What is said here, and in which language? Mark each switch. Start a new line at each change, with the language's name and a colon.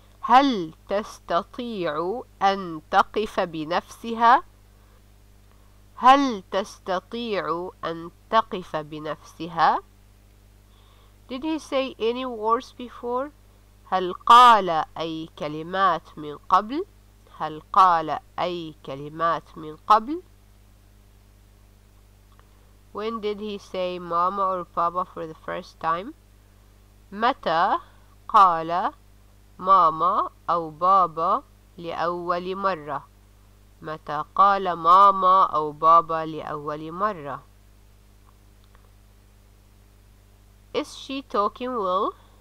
Arabic: هل تستطيع أن تقف بنفسها؟ هل تستطيع أن تقف بنفسها؟
English: Did he say any words before?
Arabic: هل قال أي كلمات من قبل؟ هل قال أي كلمات من قبل؟
English: When did he say mama or papa for the first time?
Arabic: متى قال ماما أو بابا لأول مرة؟ متى قال ماما أو بابا لأول مرة؟
English: Is she talking well?